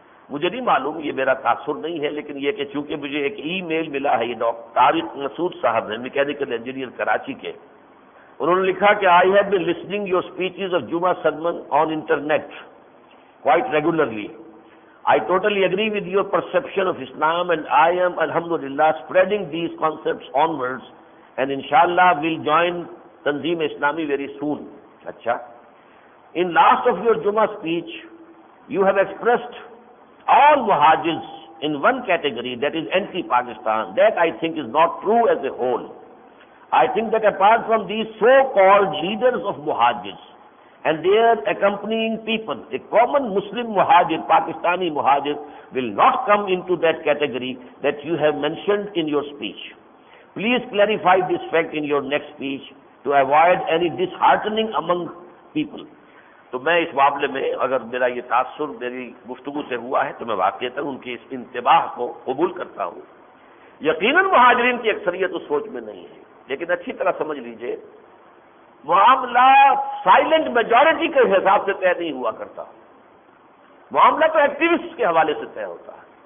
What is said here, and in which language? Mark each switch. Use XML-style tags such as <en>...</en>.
<ur>مجھے نہیں معلوم، یہ میرا تاثر نہیں ہے، لیکن یہ کہ چونکہ مجھے ایک ای میل ملا ہے، یہ ڈاکٹر طارق مسعود صاحب ہیں، میکینیکل انجینئر کراچی کے، انہوں نے لکھا کہ</ur> <en>I have been listening your speeches of Jumma Salman on internet quite regularly, I totally agree with your perception of Islam, and I am الحمد للہ spreading these concepts on words, and ان شاء اللہ will join Tanzeem Islami very soon. اچھا، in last of your Jumma speech you have expressed all muhajirs in one category, that is anti Pakistan, that I think is not true as a whole. I think that apart from these so-called leaders of muhajirs and their accompanying people, a common Muslim muhajir, Pakistani muhajir, will not come into that category that you have mentioned in your speech. Please clarify this fact in your next speech to avoid any disheartening among people.</en> <ur>تو میں اس معاملے میں اگر میرا یہ تاثر میری گفتگو سے ہوا ہے تو میں واقعی ان کی اس انتباہ کو قبول کرتا ہوں. یقیناً مہاجرین کی اکثریت اس سوچ میں نہیں ہے، لیکن اچھی طرح سمجھ لیجئے معاملہ سائلنٹ میجورٹی کے حساب سے طے نہیں ہوا کرتا، معاملہ تو ایکٹیوسٹ کے حوالے سے طے ہوتا ہے.</ur>